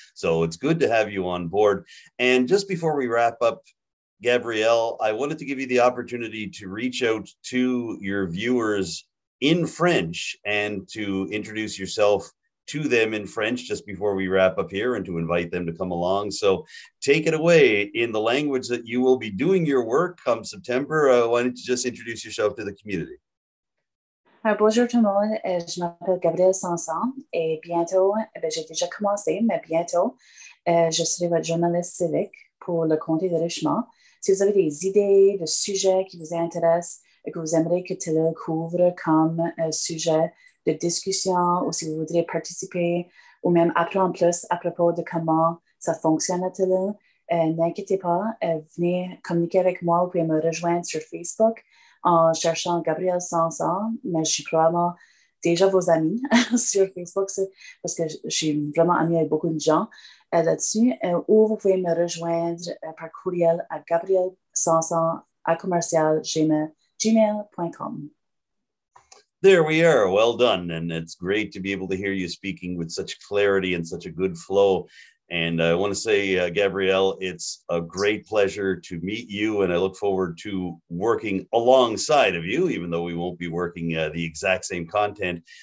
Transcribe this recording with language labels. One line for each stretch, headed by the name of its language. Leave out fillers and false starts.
English: So it's good to have you on board. And just before we wrap up, Gabrielle, I wanted to give you the opportunity to reach out to your viewers in French and to introduce yourself to them in French just before we wrap up here and to invite them to come along. So take it away in the language that you will be doing your work come September. Why don't you just introduce yourself to the community?
French: Bonjour tout le monde. Je m'appelle Gabrielle Samson et bientôt, j'ai déjà commencé, mais bientôt, je serai votre journaliste civique pour le comté de Richmond. Si vous avez des idées de sujets qui vous intéressent et que vous aimeriez que Telile couvre comme sujet de discussion ou si vous voudriez participer ou même apprendre plus à propos de comment ça fonctionne à Telile, n'inquiétez pas, venez communiquer avec moi ou me rejoindre sur Facebook en cherchant Gabrielle Samson, mais je suis probablement déjà vos amis sur Facebook parce que je suis vraiment amie avec beaucoup de gens là-dessus, ou vous pouvez me rejoindre par courriel à gabrielle.samson@gmail.com.
English: There we are. Well done. And it's great to be able to hear you speaking with such clarity and such a good flow. And I want to say, Gabrielle, it's a great pleasure to meet you, and I look forward to working alongside of you, even though we won't be working the exact same content.